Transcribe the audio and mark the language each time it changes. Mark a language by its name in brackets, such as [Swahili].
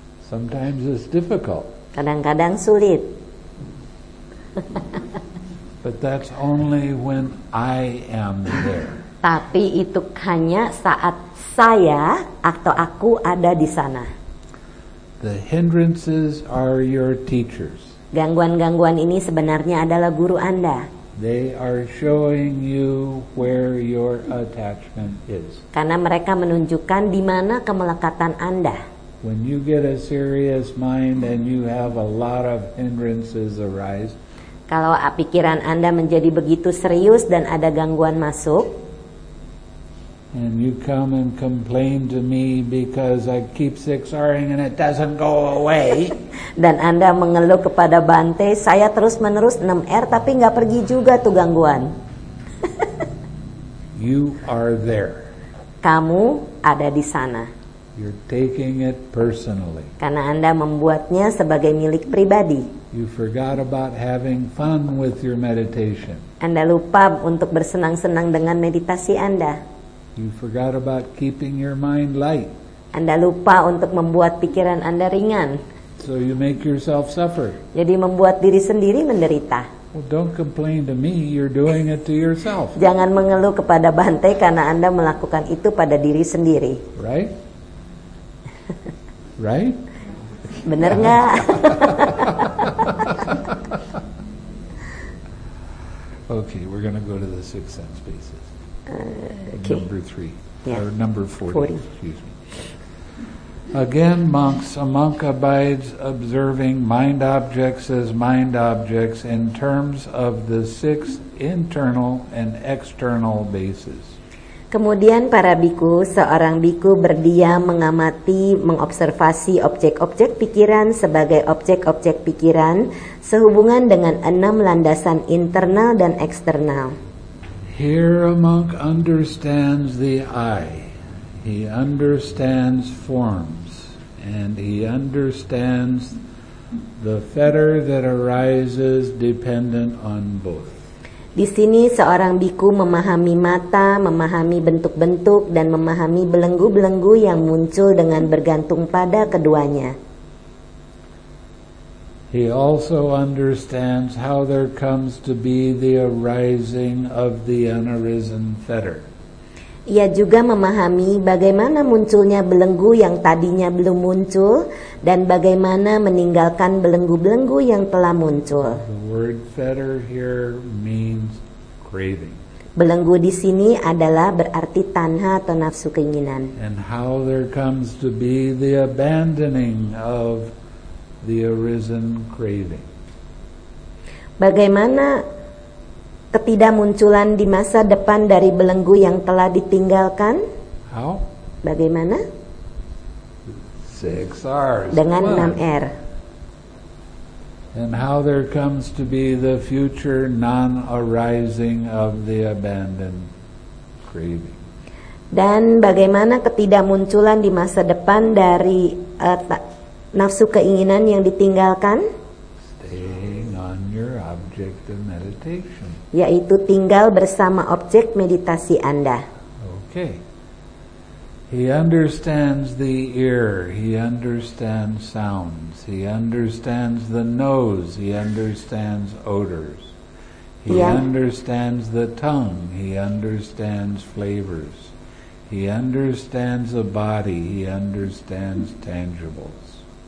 [English] Sometimes it's difficult. [Indonesian] Kadang-kadang sulit. [English] But that's only when I am there. [Indonesian] Tapi itu hanya saat saya atau aku ada di sana. [English] The hindrances are your teachers. [Indonesian] Gangguan-gangguan ini sebenarnya adalah guru Anda. [English] They are showing you where your attachment is. [Indonesian] Karena mereka menunjukkan di mana kemelekatan Anda. [English] When you get a serious mind and you have a lot of hindrances arise. [Indonesian] Kalau pikiran Anda menjadi begitu serius dan ada gangguan masuk. [English] And you come and complain to me because I keep 6R-ing and it doesn't go away. [Indonesian] Dan Anda mengeluh kepada Bante, saya terus-menerus 6R tapi enggak pergi juga tuh gangguan. [English] You are there. [Indonesian] Kamu ada di sana. [English] You're taking it personally. [Indonesian] Karena Anda membuatnya sebagai milik pribadi. [English] You forgot about having fun with your meditation. [Indonesian] Anda lupa untuk bersenang-senang dengan meditasi Anda. [English] You forgot about keeping your mind light. [Indonesian] Anda lupa untuk membuat pikiran Anda ringan. [English] So you make yourself suffer. [Indonesian] Jadi membuat diri sendiri menderita. [English] Well, don't complain to me, you're doing it to yourself. [Indonesian] Jangan mengeluh kepada Bante karena Anda melakukan itu pada diri sendiri. [English] Right? Right? [Indonesian] Benar enggak? [English] Okay, we're going to go to the sixth sense basis. Okay. Number 40. Again, monks, a monk abides observing mind objects as mind objects in terms of the six internal and external bases. [Indonesian] Kemudian para bhikkhu, seorang bhikkhu berdiam mengamati, mengobservasi objek-objek pikiran sebagai objek-objek pikiran sehubungan dengan enam landasan internal dan eksternal. [English] Here a monk understands the eye. He understands forms and he understands the fetter that arises dependent on both. [Indonesian] Di sini seorang bhikkhu memahami mata, memahami bentuk-bentuk dan memahami belenggu-belenggu yang muncul dengan bergantung pada keduanya. [English] He also understands how there comes to be the arising of the unarisen fetter. [Indonesian] Ia juga memahami bagaimana munculnya belenggu yang tadinya belum muncul dan bagaimana meninggalkan belenggu-belenggu yang telah muncul. [English] The word fetter here means craving. [Indonesian] Belenggu di sini adalah berarti tanha atau nafsu keinginan. [English] And how there comes to be the abandoning of the arisen craving. [Indonesian] Bagaimana ketidakmunculan di masa depan dari belenggu yang telah ditinggalkan? [English] How? [Indonesian] Bagaimana? [English] 6 R's. [Indonesian] Dengan 6 R. [English] And how there comes to be the future non-arising of the abandoned craving. [Indonesian] Dan bagaimana ketidakmunculan di masa depan dari nafsu keinginan yang ditinggalkan? [English] Staying on your object of meditation. [Indonesian] Yaitu tinggal bersama objek meditasi Anda. [English] Okay. He understands the ear, he understands sounds, he understands the nose, he understands odors. He understands the tongue, he understands flavors. He understands the body, he understands tangibles.